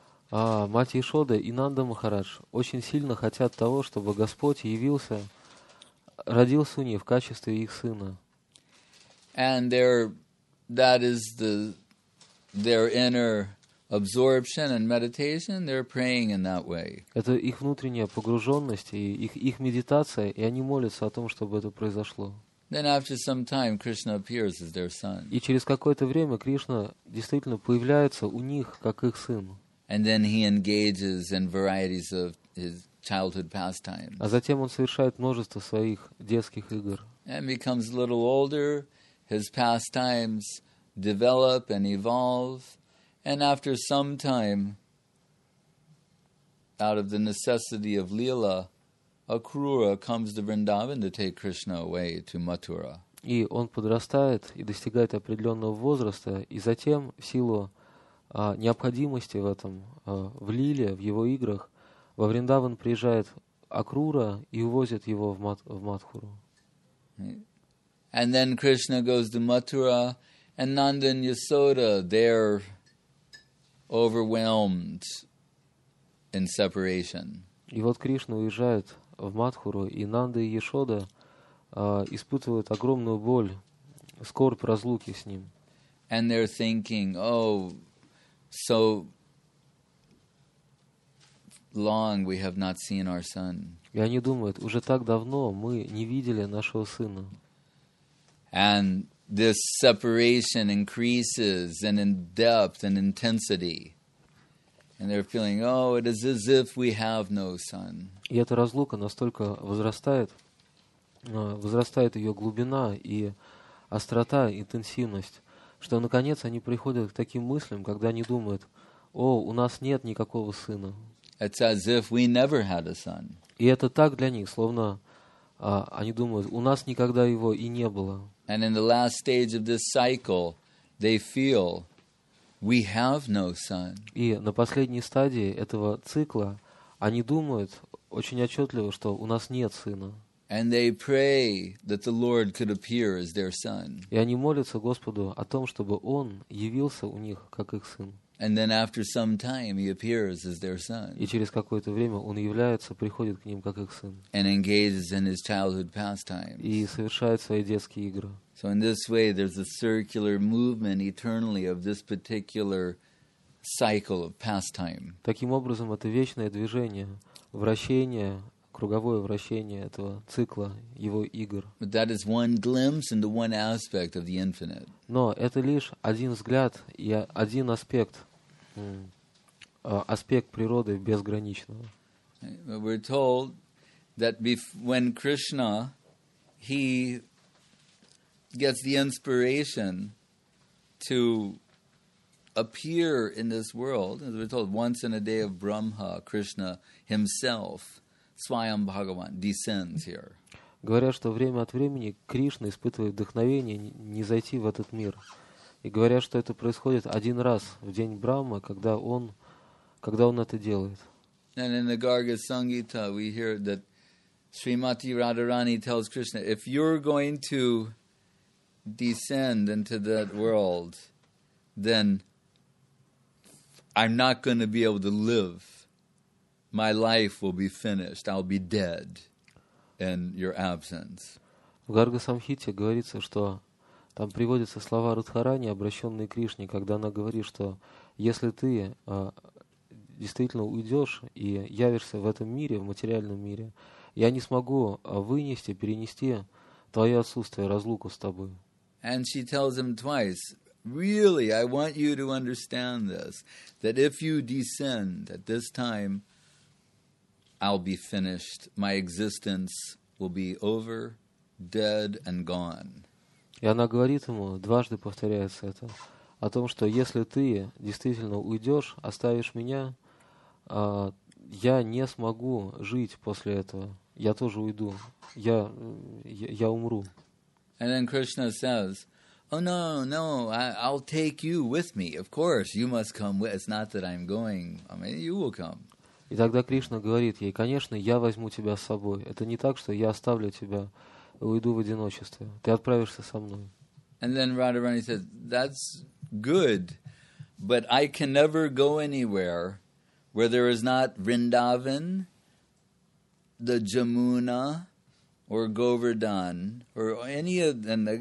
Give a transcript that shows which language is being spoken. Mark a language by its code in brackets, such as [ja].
[ru] Мать Ишода и Нанда Махарадж очень сильно хотят того, чтобы Господь явился, родился у них в качестве их сына. [en] And that is their inner absorption and meditation, they're praying in that way. [ru] Это их внутренняя погруженность и их медитация, и они молятся о том, чтобы это произошло. [en] Then after some time, Krishna appears as their son. [ru] И через какое-то время Кришна действительно появляется у них как их сын. [en] And then he engages in varieties of his childhood pastimes. [ru] А затем он совершает множество своих детских игр. [en] And becomes a little older, his pastimes develop and evolve, and after some time, out of the necessity of lila, Акрура comes to Vrindavan to take Krishna away to Mathura. [ru] И он подрастает и достигает определенного возраста, и затем в силу необходимости в этом, в лиле, в его играх, во Вриндаван приезжает Акрура и увозит его в Матхуру. [en] And then Krishna goes to Mathura, and Nanda and Yasoda, they're overwhelmed in separation. [ru] И вот Кришна уезжает в Матхуру, и Нанда и Ясода испытывают огромную боль, скорбь разлуки с ним. [en] And they're thinking, oh, so long we have not seen our son. [ru] И они думают, уже так давно мы не видели нашего сына. [en] And this separation increases and in depth and intensity. And they're feeling, oh, it is as if we have no son. [ru] И эта разлука настолько возрастает, возрастает ее глубина и острота, интенсивность, что наконец они приходят к таким мыслям, когда они думают, о, у нас нет никакого сына. [en] It's as if we never had a son. [ru] И это так для них, словно они думают, у нас никогда его и не было. [en] And in the last stage of this cycle, they feel we have no son. [ru] И на последней стадии этого цикла они думают очень отчетливо, что у нас нет сына. [en] And they pray that the Lord could appear as their son. [ru] И они молятся Господу о том, чтобы Он явился у них как их сын. [en] And then after some time he appears as their son. [ru] И через какое-то время он является, приходит к ним как их сын. [en] And engages in his childhood pastimes. [ru] И совершает свои детские игры. [en] So in this way there's a circular movement eternally of this particular cycle of pastime. [ru] Таким образом это вечное движение, вращение, круговое вращение этого цикла его игр. [en] But that is one glimpse into one aspect of the infinite. [ru] Но это лишь один взгляд и один аспект, аспект природы безграничного. [en] We're told that when Krishna he gets the inspiration to appear in this world, as we're told, once in a day of Brahma, Krishna himself, Swayam Bhagavan, descends here. [ru] Говорят, что время от времени Кришна испытывает вдохновение не зайти в этот мир. И говорят, что это происходит один раз в день Брахмы, когда он это делает. [en] And in the Garga Sangita, we hear that Srimati Radharani tells Krishna, if you're going to descend into that world, then I'm not going to be able to live. My life will be finished. I'll be dead in your absence. [ru] В Гарга Самхите говорится, что там приводятся слова Радхарани, обращенные к Кришне, когда она говорит, что если ты действительно уйдешь и явишься в этом мире, в материальном мире, я не смогу вынести, перенести твое отсутствие, разлуку с тобой. [en] And she tells him twice, really, I want you to understand this, that if you descend at this time, I'll be finished. My existence will be over, dead and gone. [ru] И она говорит ему, дважды повторяется это, о том, что если ты действительно уйдешь, оставишь меня, я не смогу жить после этого. Я тоже уйду. Я умру. [en] And then Krishna says, oh, no, no, I'll take you with me. Of course, you must come with. It's not that I'm going. I mean, you will come. [ru] И тогда Кришна говорит ей, конечно, я возьму тебя с собой. Это не так, что я оставлю тебя, уйду в одиночестве. Ты отправишься со мной. [en] And then Radharani says, that's good, but I can never go anywhere where there is not Vrindavan, the Jamuna, or Govardhan, or any of them.